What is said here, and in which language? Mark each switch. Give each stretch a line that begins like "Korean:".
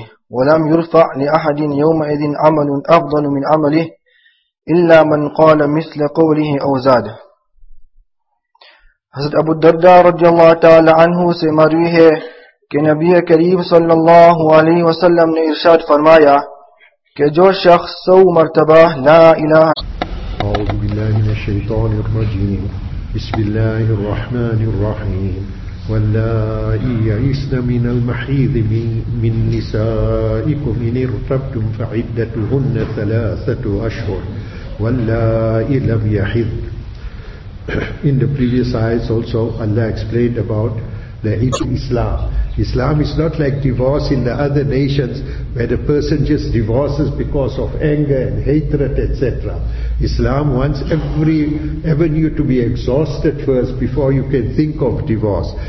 Arabic: ولم يرفع لأحد يومئذ عمل أفضل من عمله إلا من قال مثل قوله أو زاد.
Urdu: حضرت أبو الدرداء رضي الله تعالى عنه سے مروی ہے کہ نبی کریم صلی اللہ علیہ وسلم نے ارشاد فرمایا کہ جو شخص 100 مرتبہ لا إله.
Arabic: أعوذ بالله من الشيطان الرجيم. بسم الله الرحمن الرحيم. واللائي يئسن من المحيض من نسائكم إن ارتبتم فعدتهن 3 أشهر واللائي لم يحض.
English: In the previous ayahs also Allah explained about the Islam. Islam is not like divorce in the other nations where the person just divorces because of anger and hatred, etc. Islam wants every avenue to be exhausted first before you can think of divorce.